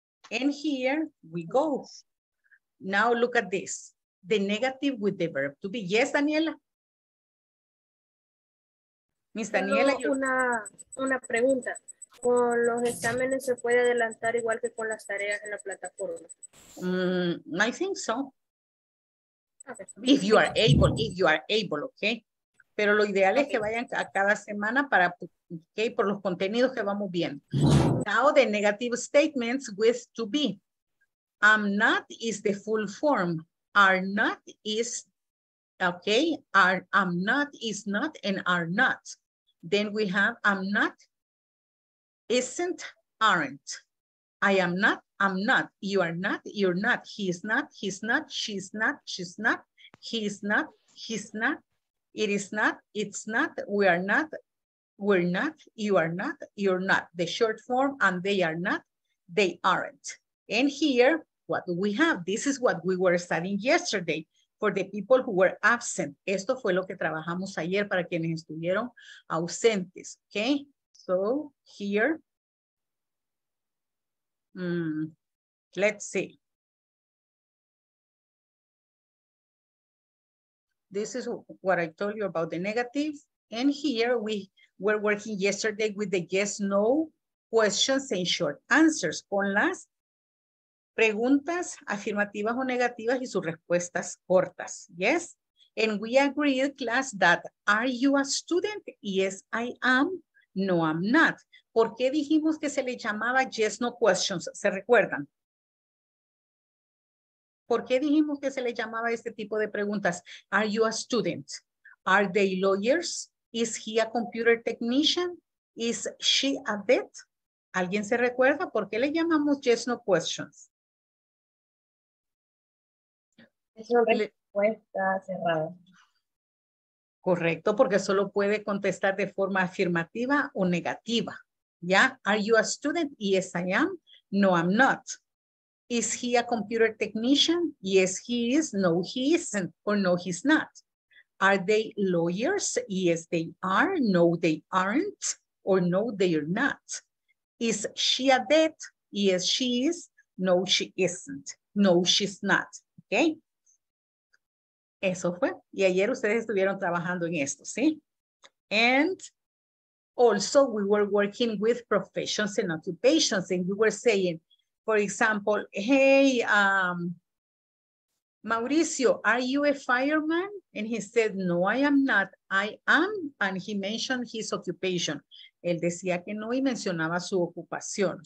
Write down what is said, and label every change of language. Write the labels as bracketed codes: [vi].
[en] And here we go. Now look at this. The negative with the verb to be. Yes, Daniela? [es] Miss Daniela, yo... una pregunta. ¿Con los exámenes se puede adelantar igual que con las tareas en la plataforma? [en] I think so. Okay. If you are able, if you are able, okay. [es] Pero lo ideal es que vayan a cada semana para, okay, por los contenidos que vamos bien. [en] Now the negative statements with to be. I'm not is the full form. Are not is, okay, are, I'm not is not and are not. Then we have I'm not, isn't, aren't. I am not, I'm not. You are not, you're not. He is not, he's not. She's not, she's not. He is not, he's not. It is not, it's not, we are not, we're not, you are not, you're not. The short form, and they are not, they aren't. And here, what do we have? This is what we were studying yesterday for the people who were absent. [es] Esto fue lo que trabajamos ayer para quienes estuvieron ausentes, okay? [en] So here, let's see. This is what I told you about the negative. And here we were working yesterday with the yes, no questions and short answers. [es] Con las preguntas afirmativas o negativas y sus respuestas cortas. [en] Yes. And we agreed, class, that are you a student? Yes, I am. No, I'm not. [es] ¿Por qué dijimos que se le llamaba yes, no questions? ¿Se recuerdan? ¿Por qué dijimos que se le llamaba este tipo de preguntas? [en] Are you a student? Are they lawyers? Is he a computer technician? Is she a vet? [es] ¿Alguien se recuerda? ¿Por qué le llamamos yes, no questions? Es una respuesta cerrada. Correcto, porque solo puede contestar de forma afirmativa o negativa. [en] ¿Ya? Are you a student? Yes, I am. No, I'm not. Is he a computer technician? Yes, he is. No, he isn't. Or no, he's not. Are they lawyers? Yes, they are. No, they aren't. Or no, they're not. Is she a vet? Yes, she is. No, she isn't. No, she's not. Okay? [es] Eso fue. Y ayer ustedes estuvieron trabajando en esto, ¿sí? [en] And also we were working with professions and occupations and you were saying, for example, hey, Mauricio, are you a fireman? And he said, no, I am not. I am. And he mentioned his occupation. [es] Él decía que no y mencionaba su ocupación.